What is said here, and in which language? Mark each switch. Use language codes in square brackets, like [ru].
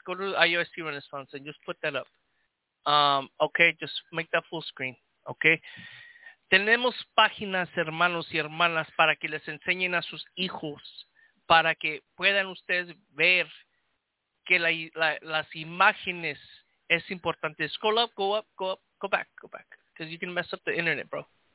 [en] Go to the IUSC Renaissance and just put that up. Okay, just make that full screen. Okay. [es] Tenemos páginas, hermanos y hermanas, para que les enseñen a sus hijos, para que puedan ustedes ver que las imágenes es importante. [en] Scroll up, go up, go up, go back, because you can mess up the internet, bro.